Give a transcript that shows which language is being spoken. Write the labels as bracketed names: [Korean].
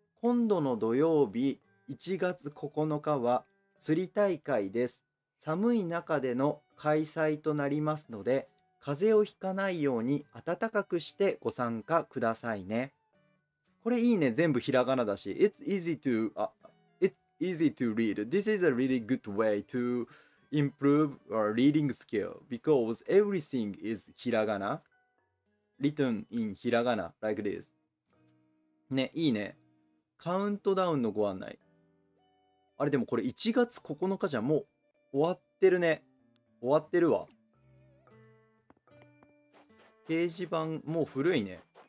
[Japanese] 今度の土曜日1月9日は釣り大会です。寒い中での開催となりますので、風邪をひかないように暖かくしてご参加くださいね。これいいね、全部ひらがなだし。 [English] It's easy to read. This is a really good way to improve our reading skill because everything is ひらがな。 Written in ひらがな、like this. [Japanese] ね、いいね。カウントダウンのご案内。あれでもこれ1月9日じゃもう終わってるね。終わってるわ。掲示板もう古いね。